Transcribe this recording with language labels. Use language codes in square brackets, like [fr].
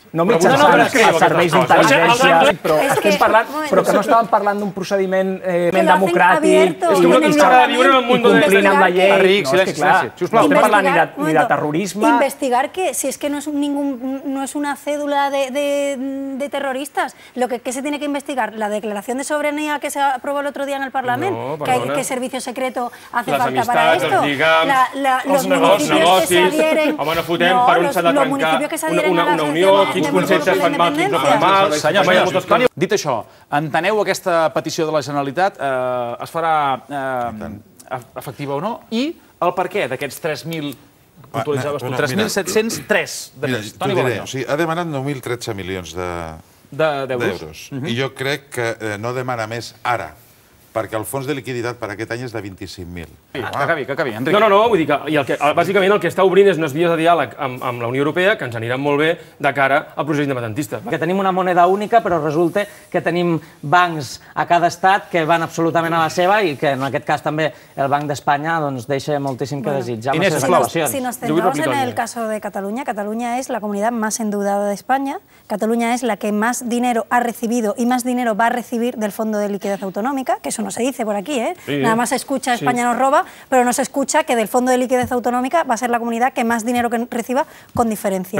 [ca] No mitjançant els serveis d'intel·ligència, però que no estàvem parlant d'un procediment democràtic. És que no t'agrada viure en el món d'on és allà. Enric, silenci, silenci. Si us plau, estem parlant ni de terrorisme. Investigar que, si és que no és una cèdula de terroristes, què [es] se tiene que investigar? [ca] La declaració de sobirania que s'aprova l'altre dia en el Parlament? [es] Què servicio secreto hace falta para esto? [ca] Les amistats, els lligams, els negocis... Home, no fotem per on s'han de trencar una unió. Quins conceptes fan mal, quins no fan mal... Dit això, enteneu aquesta petició de la Generalitat, es farà efectiva o no, i el per què d'aquests 3.000... 3.703 de més. T'ho diré, ha demanat 9.013 milions d'euros. I jo crec que no demana més ara, perquè el fons de liquiditat per aquest any és de 25.000. Que acabi, Enric. No, vull dir que bàsicament el que està obrint és unes vies de diàleg amb la Unió Europea que ens aniran molt bé de cara al procés independentista. Que tenim una moneda única, però resulta que tenim bancs a cada estat que van absolutament a la seva i que en aquest cas també el Banc d'Espanya deixa moltíssim que desitjar. Inés, esclau. [es] Si nos centramos en el caso de Cataluña, Cataluña es la comunidad más endeudada de España. Cataluña es la que más dinero ha recibido y más dinero va a recibir del Fondo de Liquidez Autonómica, que eso no se dice por aquí, ¿eh? Nada más se escucha España nos roba, pero no se escucha que del Fondo de Liquidez Autonómica va a ser la comunidad que más dinero que reciba con diferencia.